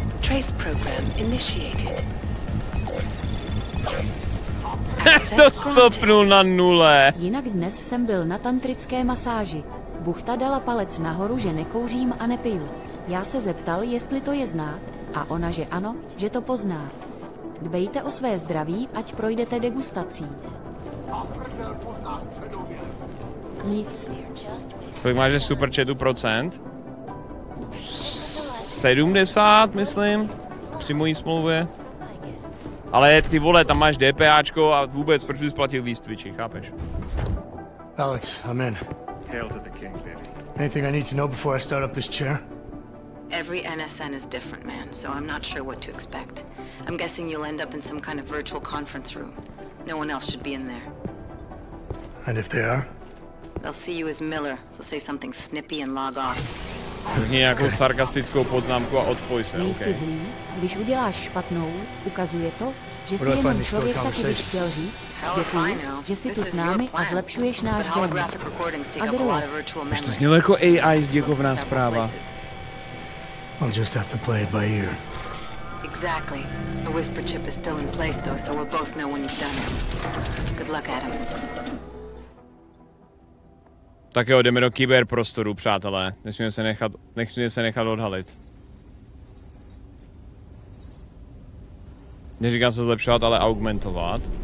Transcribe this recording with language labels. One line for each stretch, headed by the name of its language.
English: Trace program initiated.
Czech: To stopnul na nule. Jinak dnes jsem byl na tantrické masáži. Buchta dala palec nahoru, že nekouřím a nepiju. Já se zeptal, jestli to je znát, a ona, že ano, že to pozná. Dbejte o své zdraví, ať projdete degustací. Nic. Kolik máš super chatu procent? 70, myslím, při mojí smlouvě. Ale ty vole, tam máš DPAčko a vůbec, proč bys platil víc Twitchi, chápeš?
English: Alex, I'm in. Hail to the king, baby. Anything I need to know before I start up this chair? Every NSN is different, man, so I'm not sure what to expect. I'm guessing you'll end up in some kind of virtual conference room. No one else should be in there. And if they are? They'll see you as Miller, so say something snippy and log off.
Czech: Nějakou sarkastickou poznámku a odpoj se, okej.
English: Okay.
Czech: Když uděláš špatnou, ukazuje to, že jsi jenom člověk, taky bych chtěl říct, děkuji, že jsi tu s námi a zlepšuješ náš den. A druhé. Až to znělo jako AI děkovná zpráva.
English: I'll just have to play it by ear. Exactly. The whisper chip is still in place, though, so we'll both know when you've done it. Good luck, Adam.
Czech: Tak jo, jdeme do kyberprostoru, přátelé. Nesmíme se nechat odhalit. Neříkám se zlepšovat, ale augmentovat.